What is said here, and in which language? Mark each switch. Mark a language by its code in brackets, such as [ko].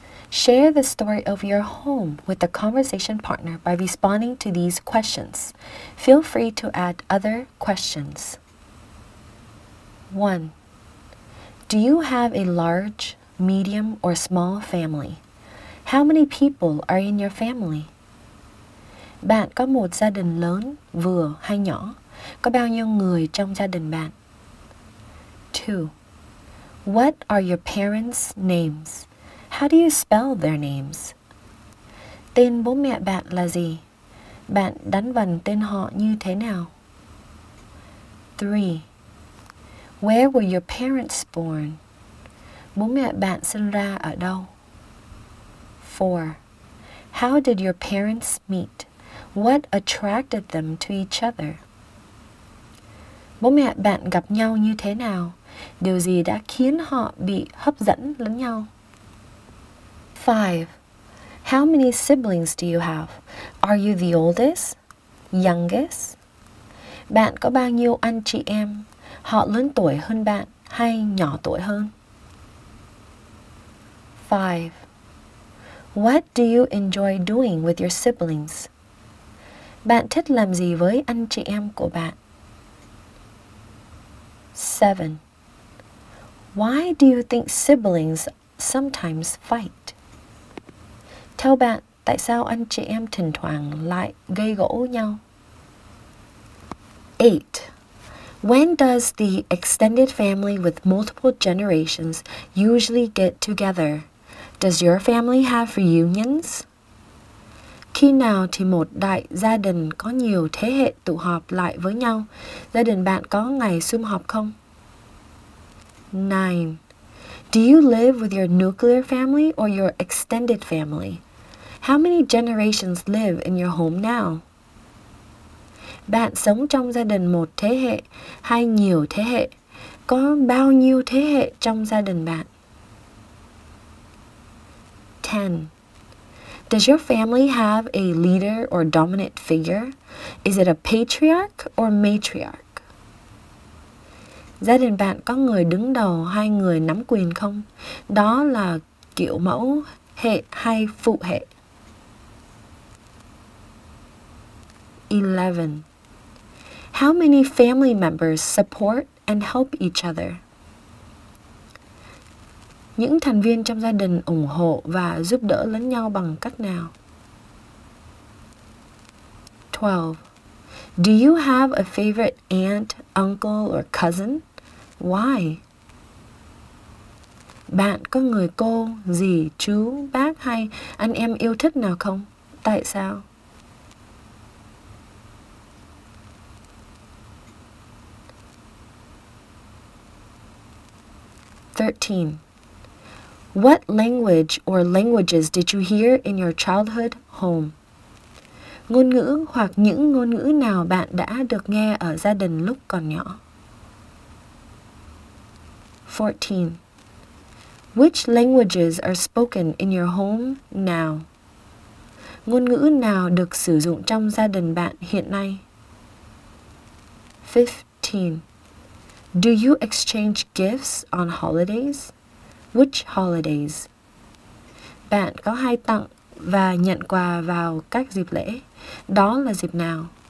[en] Share the story of your home with a conversation partner by responding to these questions. Feel free to add other questions. 1. Do you have a large, medium, or small family? How many people are in your family? [vi] Bạn có một gia đình lớn, vừa hay nhỏ? Có bao nhiêu người trong gia đình bạn? [en] 2. What are your parents' names? How do you spell their names? [vi] Tên bố mẹ bạn là gì? Bạn đánh vần tên họ như thế nào? [en] 3. Where were your parents born? [vi] Bố mẹ bạn sinh ra ở đâu? 4. [en] How did your parents meet? What attracted them to each other? [vi] Bố mẹ bạn gặp nhau như thế nào? Điều gì đã khiến họ bị hấp dẫn lẫn nhau? [en] 5. How many siblings do you have? Are you the oldest? Youngest? [vi] Bạn có bao nhiêu anh chị em? Họ lớn tuổi hơn bạn hay nhỏ tuổi hơn? [en] 5. What do you enjoy doing with your siblings? [vi] Bạn thích làm gì với anh chị em của bạn? [en] 7. Why do you think siblings sometimes fight? [vi] Theo bạn, tại sao anh chị em thỉnh thoảng lại gây gỗ nhau? [en] 8. When does the extended family with multiple generations usually get together? Does your family have reunions? [vi] Khi nào thì một đại gia đình có nhiều thế hệ tụ họp lại với nhau? Gia đình bạn có ngày sum họp không? [en] 9. Do you live with your nuclear family or your extended family? How many generations live in your home now? [vi] Bạn sống trong gia đình một thế hệ hay nhiều thế hệ? Có bao nhiêu thế hệ trong gia đình bạn? [en] 10. Does your family have a leader or dominant figure? Is it a patriarch or matriarch? [vi] Gia đình bạn có người đứng đầu hay người nắm quyền không? Đó là kiểu mẫu hệ hay phụ hệ? [en] 11. How many family members support and help each other? [vi] Những thành viên trong gia đình ủng hộ và giúp đỡ lẫn nhau bằng cách nào? [en] 12. Do you have a favorite aunt, uncle, or cousin? Why? [vi] Bạn có người cô, dì, chú, bác hay anh em yêu thích nào không? Tại sao? [en] 13. What language or languages did you hear in your childhood home? [vi] Ngôn ngữ hoặc những ngôn ngữ nào bạn đã được nghe ở gia đình lúc còn nhỏ? [en] 14. Which languages are spoken in your home now? [vi] Ngôn ngữ nào được sử dụng trong gia đình bạn hiện nay? 15. [en] Do you exchange gifts on holidays? Which holidays? [vi] Bạn có hay tặng và nhận quà vào các dịp lễ? Đó là dịp nào?